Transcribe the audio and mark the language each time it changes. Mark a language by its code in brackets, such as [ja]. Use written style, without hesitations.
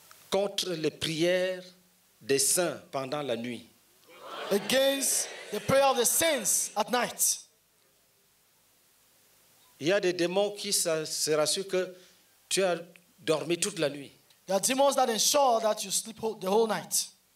[fr] contre les prières des saints pendant la nuit. [en] Against the prayer of the saints at night. [fr] Il y a des démons qui se rassurent que tu as dormi toute la nuit. [en] There are demons that ensure that you sleep the whole night.